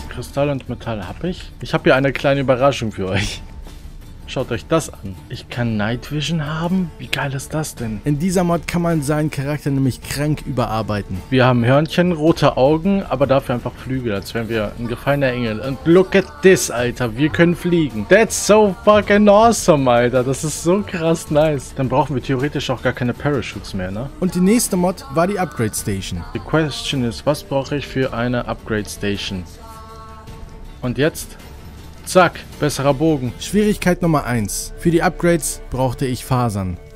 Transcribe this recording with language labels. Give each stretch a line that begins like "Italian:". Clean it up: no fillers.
German: Kristall und Metall habe ich. Ich habe hier eine kleine Überraschung für euch. Schaut euch das an. Ich kann Night Vision haben? Wie geil ist das denn? In dieser Mod kann man seinen Charakter nämlich krank überarbeiten. Wir haben Hörnchen, rote Augen, aber dafür einfach Flügel, als wären wir ein gefallener Engel. Und
English: look at this,
German: Alter. Wir können fliegen.
English: That's so fucking awesome, Alter.
German: Das ist so krass nice. Dann brauchen wir theoretisch auch gar keine Parachutes mehr, ne? Und die nächste Mod war die Upgrade Station.
English: The question is,
German: was brauche ich für eine Upgrade Station? Und jetzt? Zack, besserer Bogen. Schwierigkeit Nummer 1. Für die Upgrades brauchte ich Fasern.